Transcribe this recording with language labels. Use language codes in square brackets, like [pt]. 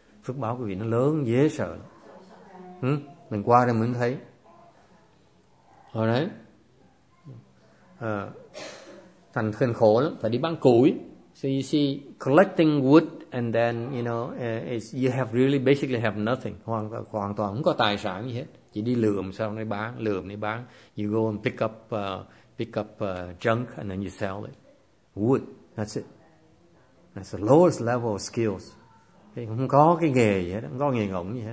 [vi] Phước báo quý vị nó lớn dễ sợ. Mình qua đây mình thấy. [en] All right. [vi] Thành thân khổ lắm, phải đi bán củi. [en] So you see, collecting wood and then, you know, you have really basically have nothing. [vi] Hoàn toàn không có tài sản gì hết. Chỉ đi lượm xong đi bán, lượm đi bán. [en] You go and pick up junk and then you sell it. Wood, that's it. That's the lowest level of skills. Okay. [vi] Không có cái nghề gì hết, không có nghề ngỗng gì hết.